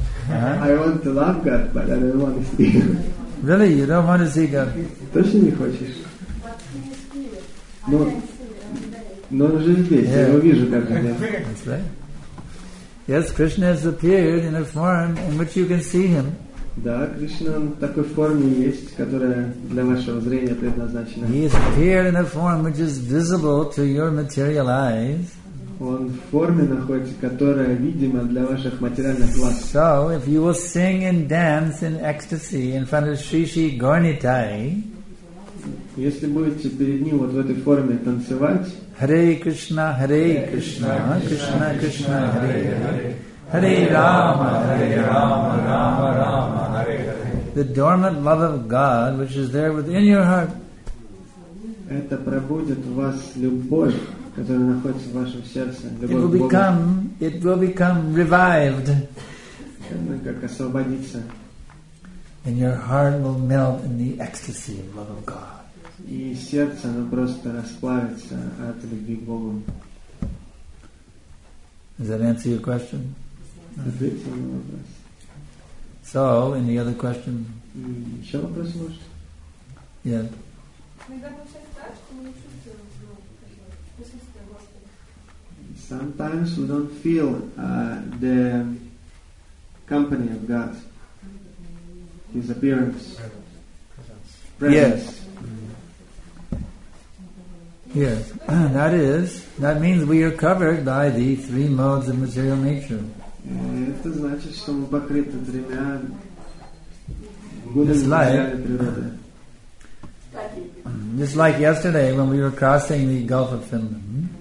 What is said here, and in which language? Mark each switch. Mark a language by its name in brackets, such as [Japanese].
[English] I want to love God, but I don't want to see Him. Really? You don't want to see God? [Russian] Точно не хочешь? Но он уже здесь, я его вижу каждый день. [English] Yes, Krishna has appeared in a form in which you can see Him. [Russian] Да, Кришна в такой форме есть, которая для вашего зрения предназначена. [English] He has appeared in a form which is visible to your material eyes. [Russian] Он в форме находится, которая видима для ваших материальных глаз. [English] So, if you will sing and dance in ecstasy in front of Sri Sri Gornitai, [Russian] если будете перед ним вот в этой форме танцевать, [Sanskrit] Hare Krishna, Krishna Krishna, Hare Hare, Hare Rama, Rama Rama, Hare Hare. [English] The dormant love of God, which is there within your heart, [Russian] это пробудет в вас любовь, которая находится в вашем сердце. [English] It will become revived. [Russian] Как освободиться. [English] And your heart will melt in the ecstasy of love of God. [Russian] И сердце, оно просто расплавится от любви к Богу. [English] Does that answer your question? [Russian] Ответил на вопрос. [English] So, any other question? [Russian] Еще вопрос может? [English] Yeah. Sometimes we don't feel the company of God, His appearance, presence. Yes, that means we are covered by the three modes of material nature. [Russian] Это значит, что мы покрыты тремя годами природы. [English] Just like yesterday when we were crossing the Gulf of Finland.